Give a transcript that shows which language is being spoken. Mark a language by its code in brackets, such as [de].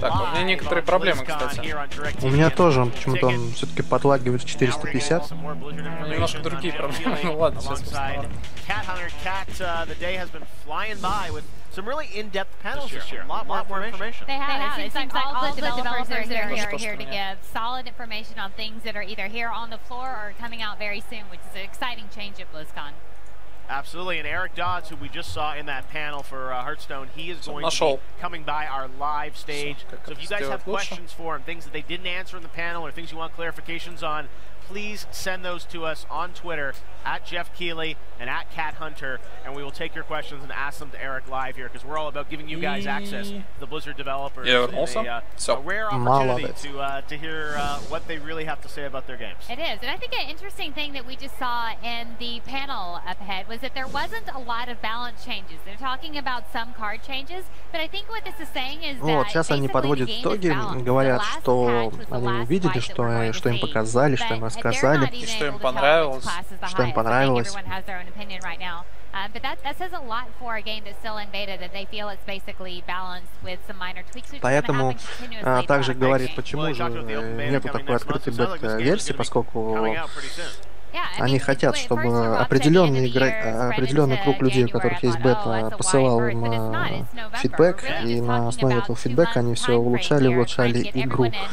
[ru] Так, у меня некоторые проблемы, кстати. У меня тоже, почему-то он все-таки подлагивает в 450. Немножко другие проблемы, ну ладно, сейчас посмотрю. [en] Some really in-depth panels this year. A lot more information. It seems like all the developers are here to give solid information on things that are either here on the floor or coming out very soon, which is an exciting change at BlizzCon. Absolutely, and Eric Dodds, who we just saw in that panel for Hearthstone, he is going to be coming by our live stage. So if you guys have questions for him, things that they didn't answer in the panel or things you want clarifications on, please send those to us on Twitter, at Jeff Keighley and at Cat Hunter, and we will take your questions and ask them to Eric live here, because we're all about giving you guys access to the Blizzard developers. Yeah, also, a rare opportunity to hear what they really have to say about their games. It is, and I think an interesting thing that we just saw in the panel up ahead was that there wasn't a lot of balance changes. They're talking about some card changes, but I think what this is saying is that [ru] сейчас они подводят итоги, говорят, что они увидели, что им показали, что им рассказали, и что им понравилось. Что им понравилось. [en] Everyone has their own opinion right now. But that says a lot for a game that's still in beta, that they feel it's basically balanced with some minor tweaks. [ru] Поэтому также говорит, почему же нету такой открытой бета-версии, поскольку они хотят, чтобы определенный круг людей, у которых есть бета, посылал им фидбэк, и на основе этого фидбэка они все улучшали игру.